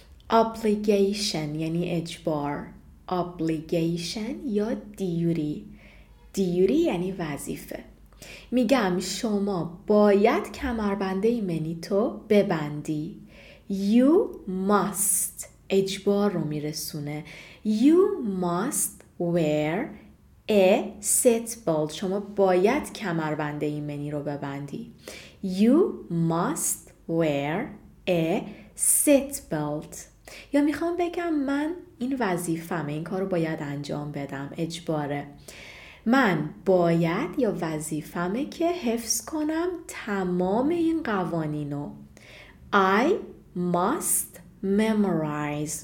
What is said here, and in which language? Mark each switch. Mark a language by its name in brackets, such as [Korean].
[Persian] obligation یعنی اجبار، obligation یا duty، duty یعنی وظیفه. میگم شما باید کمربند ایمنی تو ببندی. [English] you must [Persian] اجبار رو میرسونه. [English] You must wear a seat belt. [Persian] شما باید کمربند ایمنی رو ببندی. [English] You must wear a seat belt. [Persian] یا میخوام بگم من این وظیفه‌مه، این کار رو باید انجام بدم، اجباره. من باید یا وظیفه‌مه که حفظ کنم تمام این قوانینو. [English] I must memorize.